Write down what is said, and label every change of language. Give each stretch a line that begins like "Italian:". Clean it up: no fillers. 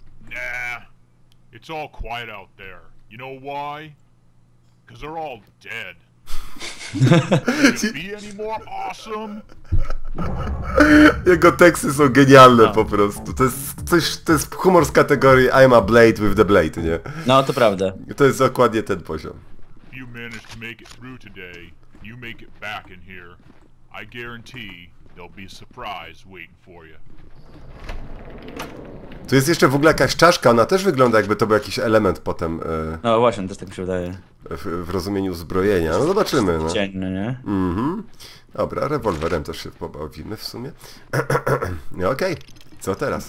English: Nah, it's all quiet out there. You know why? Because they're all dead. Can it be any more awesome?
Polish: Jego teksty są genialne po prostu. To jest humor z kategorii
English: I'm a blade with the blade,
Polish: nie? No, to prawda. To jest dokładnie ten poziom.
English: If you manage to make it through today, you make it back in here, I guarantee there'll be a surprise waiting for you.
Polish: Tu jest jeszcze w ogóle jakaś czaszka, ona też wygląda jakby to był jakiś element potem... No właśnie, też tak mi się wydaje. W rozumieniu uzbrojenia, no zobaczymy. No. Dzień, no nie? Mhm. Dobra, rewolwerem też się pobawimy w sumie. Okej, okay. Co teraz?